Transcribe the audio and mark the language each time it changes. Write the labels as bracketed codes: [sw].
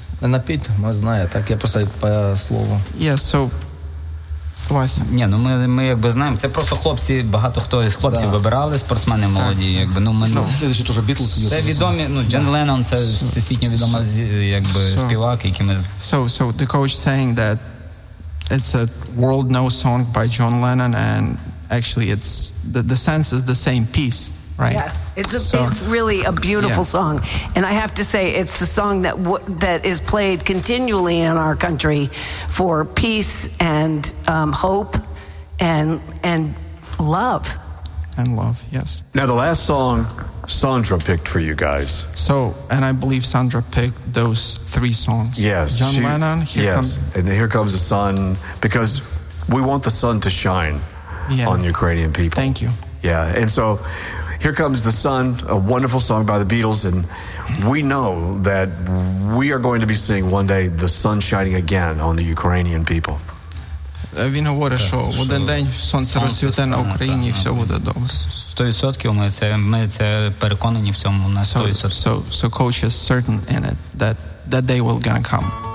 [ru] Напит, мы знаем, так я просто по слову. [en] Yes, so, Вася. [uk] Не, ну ми якби знаємо, це просто хлопці, багато хто із хлопців вибирали, спортсмени молоді, якби, ну ми... [ru] Следующий тоже Битл. [uk] Це відомі, ну, Джон Леннон, це всесвітньо відома, якби, співак, який ми... [en] So, the coach saying that it's a world known song by John Lennon, and actually it's, the sense is the same piece. Right. Yeah, it's really a beautiful song, and I have to say it's the song that that is played continually in our country for peace and hope and love. And love, yes. Now the last song Sandra picked for you guys. So, and I believe Sandra picked those three songs. Yes, John Lennon. And here comes the sun, because we want the sun to shine on Ukrainian people. Thank you. Yeah, and so. Here Comes the Sun, a wonderful song by the Beatles, and we know that we are going to be seeing one day the sun shining again on the Ukrainian people. [uk] Він говорить, що в один день сонце розсвіте на Україні, і все буде добре. 100% ми це переконані в цьому, на 100%. [en] So coach is certain in it, that that day will gonna come.